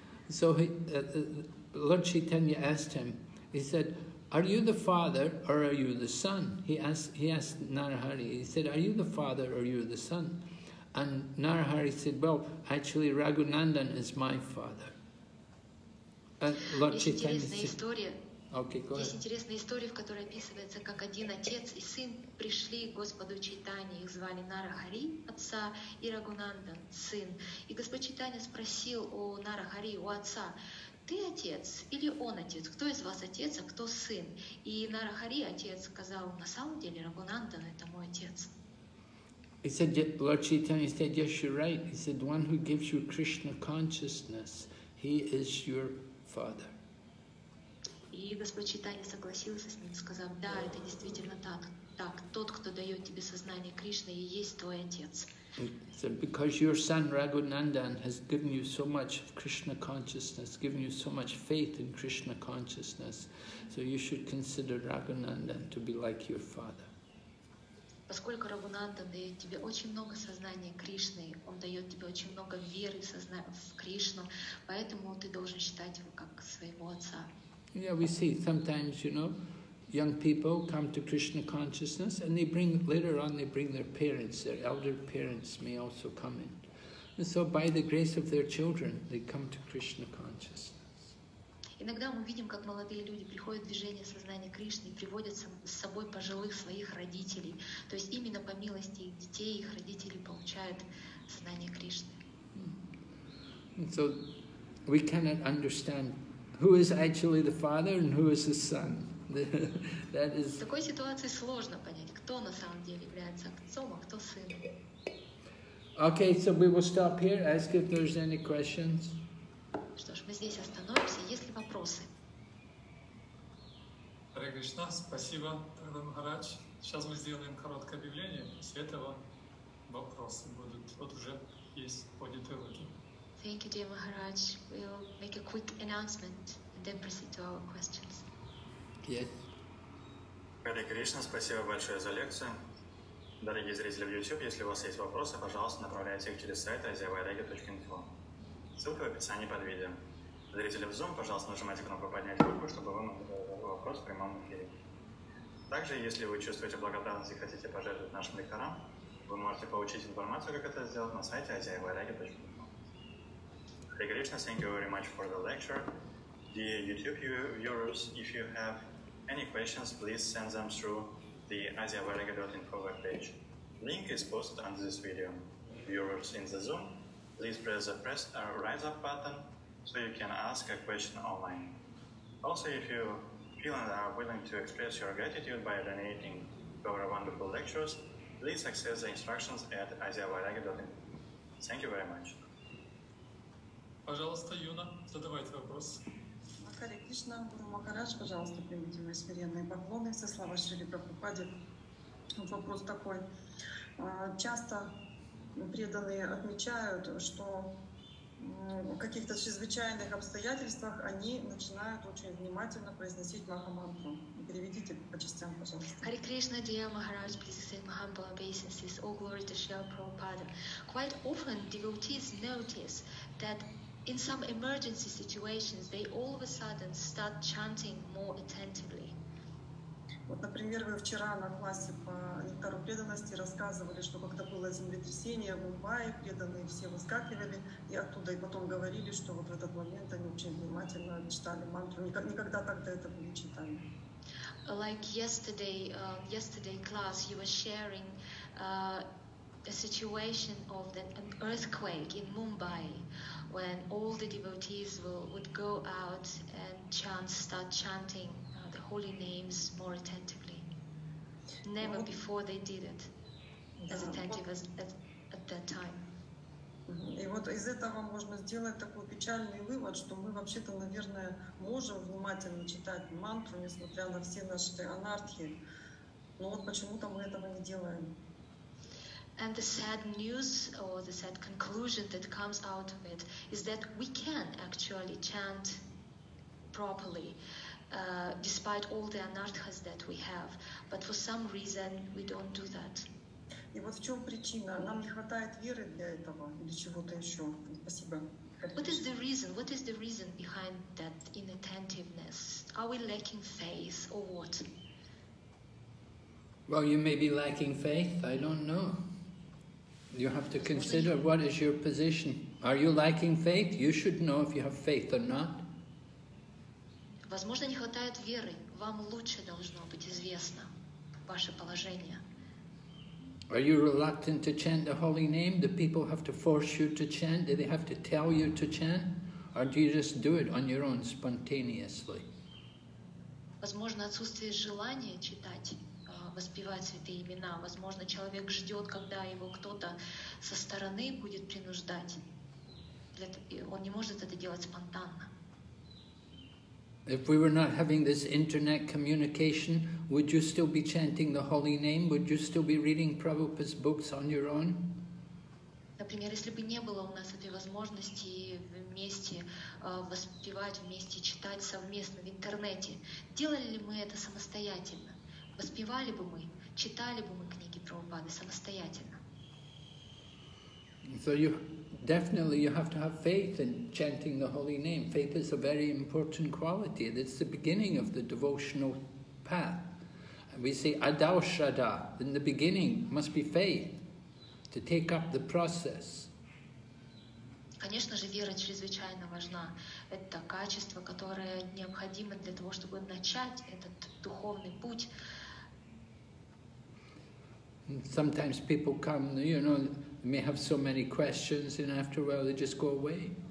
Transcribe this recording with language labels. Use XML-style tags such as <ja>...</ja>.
<en>So Lord Chaitanya asked him, he said, "Are you the father or are you the son?" He asked Narahari, he said, "Are you the father or are you the son?" And Narahari said, "Well, actually Raghunandan is my father." And Lord Chaitanya said,</en> <ru>Есть интересная история, в которой описывается, как один отец и сын пришли к Господу Чайтанье. Их звали Нарахари, отца, и Рагунандан, сын. И Господь Чайтанья спросил у Нарахари, у отца: «Ты отец или он отец? Кто из вас отец, а кто сын?» И Нарахари, отец, сказал: «На самом деле Рагунандан — это мой отец».</ru> <en>He said, Lord Chaitanya said, "Yes, you're right. He said, one who gives you Krishna consciousness, he is your father."</en> <ru>И Господь Чайтанья согласился с ним, сказав: «Да, это действительно так. Так, тот, кто дает тебе сознание Кришны, и есть твой отец».</ru> <en>He said, "Because your son Raghunandan has given you so much of Krishna consciousness, given you so much faith in Krishna consciousness, so you should consider Raghunandan to be like your father."</en> <ru>Поскольку Рагунандан дает тебе очень много сознания Кришны, он дает тебе очень много веры в Кришну, поэтому ты должен считать его как своего отца.</ru> <en>Yeah, we see sometimes, you know, young people come to Krishna consciousness and later on they bring their parents, their elder parents may also come in. And so by the grace of their children, they come to Krishna consciousness.</en> <ru>Иногда мы видим, как молодые люди приходят в движение сознания Кришны и приводят с собой пожилых своих родителей. То есть именно по милости их детей, их родителей получают сознание Кришны.</ru> <en>So we cannot understand who is actually the father and who is the son. That is...</en> <ru>В такой ситуации сложно понять, кто на самом деле является отцом, а кто сыном.</ru> <en>Okay, so we will stop here. Ask if there's any questions.</en> <ru>Что ж, мы здесь остановимся. Есть ли вопросы? Харе Кришна, спасибо, Тхагава Махарадж. Сейчас мы сделаем короткое объявление. После этого вопросы будут. Вот уже есть поднятые руки.</ru> <en>Thank you, dear Maharaj. We'll make a quick announcement and then proceed to our questions. Yes.</en> <ru>Hare Krishna, спасибо большое за лекцию. Дорогие зрители в YouTube, если у вас есть вопросы, пожалуйста, направляйте их через сайт asiavairagya.info. Ссылка в описании под видео. Зрители в Zoom, пожалуйста, нажимайте кнопку «Поднять руку», чтобы вы могли задать вопрос в прямом эфире. Также, если вы чувствуете благодарность и хотите пожертвовать нашим лекторам, вы можете получить информацию, как это сделать, на сайте asiavairagya.info.</ru> <en>Hare Krishna, thank you very much for the lecture. Dear YouTube viewers, if you have any questions, please send them through the asiavairagya.info webpage. Link is posted under this video. Viewers in the Zoom, please press the rise up button so you can ask a question online. Also, if you feel and are willing to express your gratitude by donating to our wonderful lectures, please access the instructions at asiavairagya.info. Thank you very much.</en> <ru>Пожалуйста, Юна, задавайте вопрос. Махари Кришна, Гуру Махарадж, пожалуйста, примите мои смиренные поклоны со слова Шри Прабхупаде. Вопрос такой. Часто преданные отмечают, что в каких-то чрезвычайных обстоятельствах они начинают очень внимательно произносить Махамантру. Переведите по частям, пожалуйста.</ru> <en>Hare Krishna, dear Maharaj, please accept humble obeisances. All glory to Srila Prabhupada. Quite often devotees notice that in some emergency situations they all of a sudden start chanting more attentively.</en> <ru>Вот, например, вы вчера на классе по нектару преданности рассказывали, что как-то было землетрясение в Мумбаи, преданные все выскакивали и оттуда, и потом говорили, что вот в этот момент они очень внимательно читали мантру. Никогда так до этого не читали.</ru> <en>Like yesterday class, you were sharing a situation of an earthquake in Mumbai, when all the devotees would go out and start chanting. Holy names more attentively. Never before they did it as attentive as at that time.</en> <ru>И вот из этого можно сделать такой печальный вывод, что мы вообще-то, наверное, можем внимательно читать мантру, несмотря на все наши анархии. Но вот почему-то мы этого не делаем.</ru> <en>And the sad news or the sad conclusion that comes out of it is that we can actually chant properly. Despite all the anarthas that we have, but for some reason we don't do that.</en> <ru>И вот в чем причина? Нам не хватает веры для этого или чего-то еще? Спасибо.</ru> <en>What is the reason? What is the reason behind that inattentiveness? Are we lacking faith or what? Well, you may be lacking faith. I don't know. You have to consider what is your position. Are you lacking faith? You should know if you have faith or not.</en> <ru>Возможно, не хватает веры. Вам лучше должно быть известно ваше положение.</ru> <en>Are you reluctant to chant the holy name? The people have to force you to chant? Do they have to tell you to chant? Or do you just do it on your own spontaneously?</en> <ru>Возможно, отсутствие желания читать, воспевать святые имена. Возможно, человек ждет, когда его кто-то со стороны будет принуждать. Он не может это делать спонтанно.</ru> <en>If we were not having this internet communication, would you still be chanting the holy name? Would you still be reading Prabhupada's books on your own?</en> <ru>Например, если бы не было у нас этой возможности вместе воспевать, вместе читать совместно в интернете, делали ли мы это самостоятельно? Воспевали бы мы, читали бы мы книги Прабхупады самостоятельно?</ru> <en>So you definitely you have to have faith in chanting the holy name. Faith is a very important quality. It's the beginning of the devotional path. We say adau shada in the beginning must be faith to take up the process.</en> <ru>Конечно же, вера чрезвычайно важна. Это качество, которое необходимо для того, чтобы начать этот духовный путь.</ru> <en>Sometimes people come, you know, may have so many questions, and after a while they just go away.</en>